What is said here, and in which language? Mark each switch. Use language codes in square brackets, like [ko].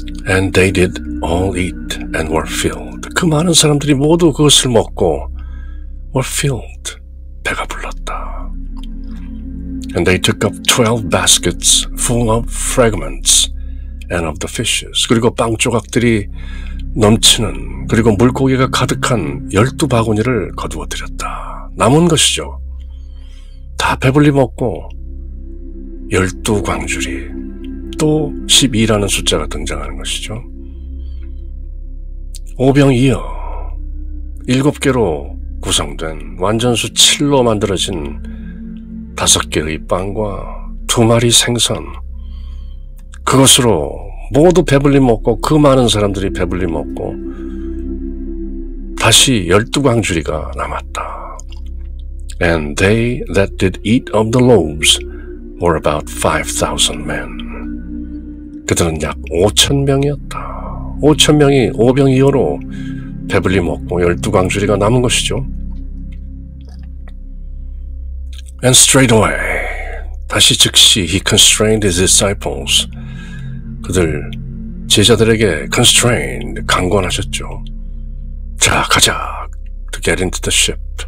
[en] And they did all eat and were filled. [ko] 그 많은 사람들이 모두 그것을 먹고 [en] were filled, [ko] 배가 불렀다. [en] And they took up 12 baskets full of fragments and of the fishes. [ko] 그리고 빵 조각들이 넘치는 그리고 물고기가 가득한 열두 바구니를 거두어 드렸다. 남은 것이죠. 다 배불리 먹고 열두 광주리 또 12라는 숫자가 등장하는 것이죠. 오병이어 일곱 개로 구성된 완전수 7로 만들어진 다섯 개의 빵과 두 마리 생선 그것으로 모두 배불리 먹고 그 많은 사람들이 배불리 먹고 다시 열두 광주리가 남았다. [en] And they that did eat of the loaves were about 5,000 men. [ko] 그들은 약 5,000명이었다. 5,000명이 오병이어로 배불리 먹고 열두 광주리가 남은 것이죠. [en] And straight away, [ko] 다시 즉시 [en] he constrained his disciples. [ko] 그들 제자들에게 constrained, 강권하셨죠. 자, 가자, [en] to get into the ship.